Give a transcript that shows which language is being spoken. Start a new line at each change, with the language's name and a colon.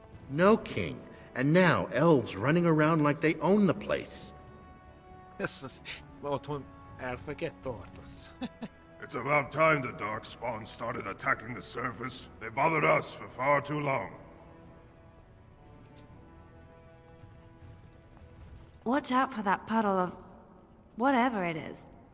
English: No king, and now elves running around like they own the place.
Hungarian: Ez az, otthon elfeket tartasz.
English: It's about time the Darkspawn started attacking the surface. They bothered us for far too long. Watch out for that puddle of Whatever it is.